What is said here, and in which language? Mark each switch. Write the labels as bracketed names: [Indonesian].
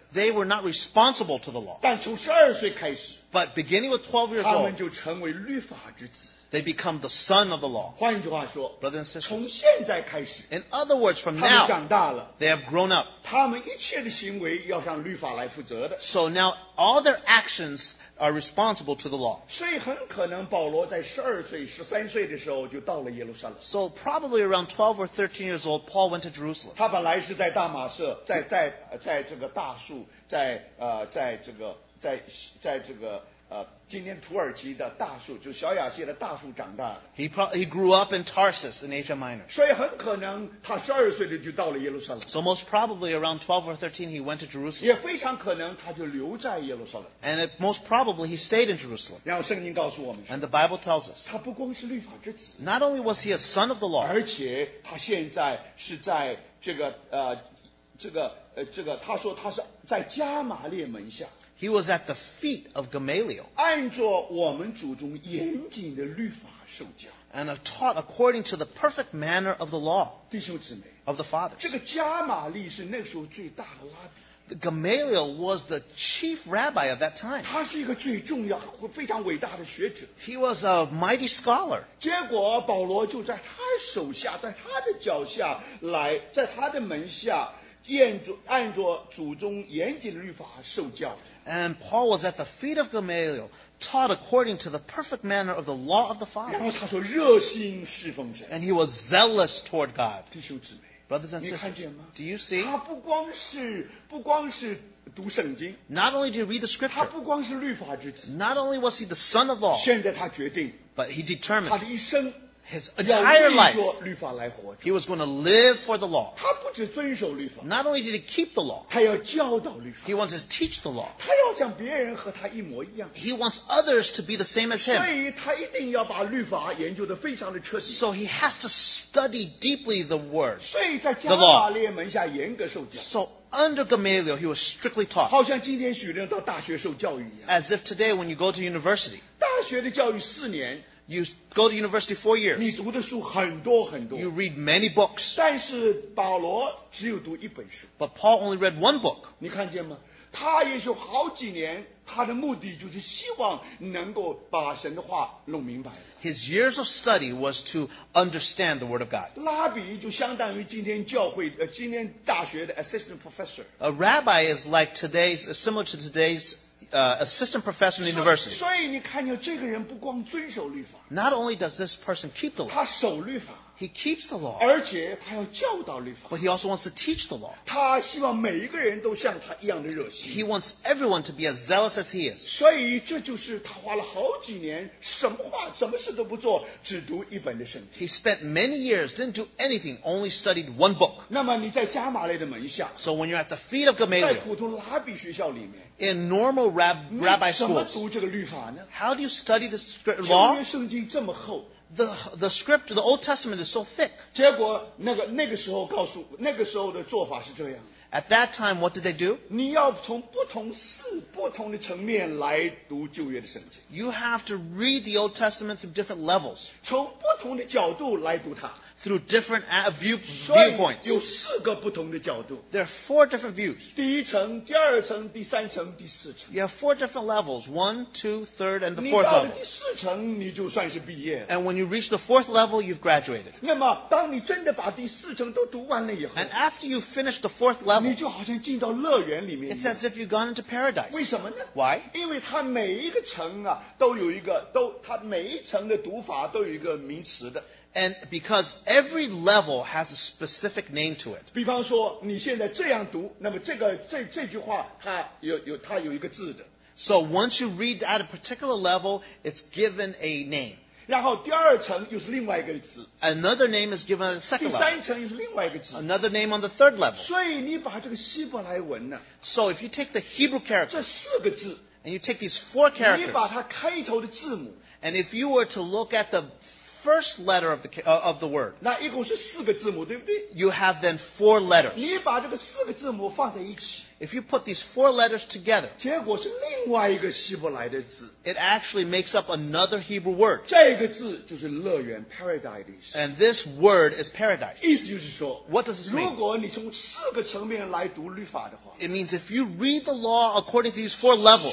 [English] They were not responsible to the law. [Chinese] 但从十二岁开始 [English] ，but But beginning with 12 years old, [Chinese] 他们就成为律法之子。 [English] They become the son of the law. [Chinese] 换一句话说 [English] Brothers and sisters, [Chinese] 从现在开始 [English] In other words, from now, [Chinese] 他们长大了 [English] they have grown up. [Chinese] 他们一切的行为要向律法来负责的 [English] So now, all their actions are responsible to the law. [Chinese] 所以很可能保罗在12岁、13岁的时候就到了耶路撒冷 [English] So probably around 12 or 13 years old, Paul went to Jerusalem. [Chinese] 他本来是在大马色 在这个大树 在这个 在这个今天土耳其的大树，就小亚细的大树长大的。 [English] He grew up in Tarsus in Asia Minor. [Chinese] 所以很可能他十二岁的就到了耶路撒冷。 [English] So most probably around 12 or 13 he went to Jerusalem. [Chinese] 也非常可能他就留在耶路撒冷。 [English] And it, most probably he stayed in Jerusalem. [Chinese] 然后圣经告诉我们。 [English] And the Bible tells us. [Chinese] 他不光是律法之子。 [English] Not only was he a son of the law. [Chinese] 而且他现在是在这个他说他是在加玛列门下。 [English] He was at the feet of Gamaliel. [Chinese] 按照我们祖宗严谨的律法受教。 [English] And taught according to the perfect manner of the law. [Chinese] 弟兄姊妹。 [English] Of the fathers. [Chinese] 这个加玛利是那时候最大的拉比。 [English] Gamaliel was the chief rabbi of that time. [Chinese] 他是一个最重要和非常伟大的学者。 [English] He was a mighty scholar. [Chinese] 结果保罗就在他手下，在他的脚下来，在他的门下。按着祖宗严谨的律法受教。 [English] And Paul was at the feet of Gamaliel, taught according to the perfect manner of the law of the Father. [Chinese] 然后他说热心侍奉神。 [English] And he was zealous toward God. [Chinese] 弟兄姊妹。 [English] Brothers and sisters, [Chinese] 你看见吗? [English] Do you see? [Chinese] 他不光是读圣经。 [English] Not only did he read the scripture. [Chinese] 他不光是律法之子。 [English] Not only was he the son of law. [Chinese] 现在他决定。 [English] But he determined. [Chinese] 他的一生。 [English] His entire life, he was going to live for the law. [Chinese] 他不只遵守律法, [English] not only did he keep the law, [Chinese] 他要教导律法, [English] he wants to teach the law. [Chinese] 他要像别人和他一模一样, [English] he wants others to be the same as him. [Chinese] 所以他一定要把律法研究得非常的彻底, [English] so he has to study deeply the word, [Chinese] 所以在加玛列门下严格受教, [English] so under Gamaliel, he was strictly taught. [Chinese] 好像今天许多人到大学受教育一样, [English] as if today when you go to university, [Chinese] 大学的教育四年, [English] you go to university 4 years. [Chinese] 你读的书很多很多。 [English] You read many books. [Chinese] 但是保罗只有读一本书。 [English] But Paul only read one book. [Chinese] 你看见吗？他也许好几年，他的目的就是希望能够把神的话弄明白。 [English] His years of study was to understand the word of God. [Chinese] 拉比就相当于今天教会今天大学的 [English] assistant professor. A rabbi is like today's similar to today'sassistant professor in the university. [Chinese] 所以你看见这个人不光遵守律法。 [English] Not only does this person keep the law. [Chinese] 他守律法。 [English] He keeps the law. [Chinese] 而且他要教导律法。 [English] But he also wants to teach the law. [Chinese] 他希望每一个人都像他一样的热心。 [English] He wants everyone to be as zealous as he is. [Chinese] 所以这就是他花了好几年什么话什么事都不做只读一本的圣经。 [English] He spent many years, didn't do anything, only studied one book. [Chinese] 那么你在加玛列的门下。 [English] So when you're at the feet of Gamaliel. [Chinese] 在普通拉比学校里面。 [English] In normal rabbi schools. [Chinese] 怎么读这个律法呢? [English] How do you study the law? [Chinese] 旧约圣经这么厚。 [English] The script, the Old Testament is so thick. [Chinese] 结果那个时候的做法是这样。 [English] At that time, what did they do? [Chinese] 你要从不同的层面来读旧约的圣经。 [English] You have to read the Old Testament through different levels. [Chinese] 从不同的角度来读它。 [English] Through different viewpoints. [Chinese] 有四个不同的角度。 [English] There are four different views. [Chinese] 第一层，第二层，第三层，第四层。 [English] You have four different levels. One, two, third, and the fourth level. [Chinese] 你到了第四层，你就算是毕业。 [English] And when you reach the fourth level, you've graduated. [Chinese] 那么，当你真的把第四层都读完了以后。 [English] And after you finish the fourth level. [Chinese] 你就好像进到乐园里面。 [English] It's as if you've gone into paradise. [Chinese] 为什么呢? [English] Why? [Chinese] 因为它每一个层啊，都有一个，都，它每一层的读法都有一个名词的。 [English] And because every level has a specific name to it. [Chinese] 比方说你现在这样读，那么这句话它有一个字的。 [English] So once you read at a particular level, it's given a name. [Chinese] 然后第二层又是另外一个字。 [English] Another name is given at the second level. [Chinese] 第三层又是另外一个字。 [English] Another name on the third level. [Chinese] 所以你把这个希伯来文呢。 [English] So if you take the Hebrew character. [Chinese] 这四个字。 [English] And you take these four characters. [Chinese] 你把它开头的字母。 [English] And if you were to look at the first letter of the word. [Chinese] 那一共是四个字母，对不对? [English] You have then four letters. [Chinese] 你把这个四个字母放在一起。 [English] If you put these four letters together, [Chinese] 结果是另外一个希伯来的字。 [English] It actually makes up another Hebrew word. [Chinese] 这个字就是乐园 [English] paradise. And this word is paradise. [Chinese] 意思就是说 [English] what does this mean? [Chinese] 如果你从四个层面来读律法的话 [English] it means if you read the law according to these four levels,